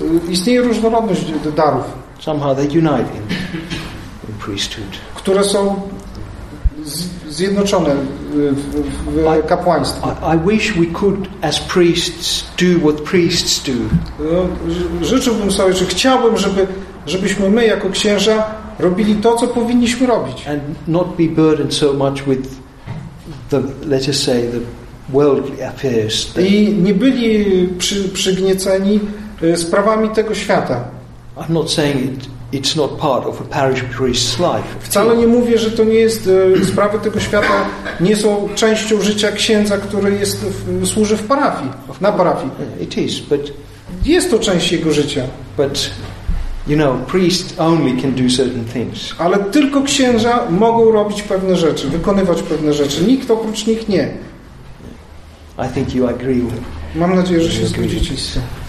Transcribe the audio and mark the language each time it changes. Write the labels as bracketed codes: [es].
[pl] Istnieje różnorodność darów. [en] Somehow they unite in priesthood. [pl] Które są zjednoczone w kapłaństwie. [en] I wish we could, as priests, do what priests do. [pl] Życzyłbym sobie, czy chciałbym, żebyśmy my jako księża robili to, co powinniśmy robić. [en] And not be burdened so much with the, let us say, the worldly affairs. [pl] I nie byli przygnieceni sprawami tego świata. [en] I'm not saying it's not part of a parish priest's life. [pl] Wcale nie mówię, że to nie jest sprawy tego świata, nie są częścią życia księdza, który jest służy w parafii, na parafii. [en] It is, but [pl] jest to część jego życia. [en] But you know, priest only can do certain things. [pl] Ale tylko księża mogą robić pewne rzeczy, wykonywać pewne rzeczy. Nikt oprócz nich nie. [en] I think you agree. [pl] Mam nadzieję, że się zgodzicie z tym.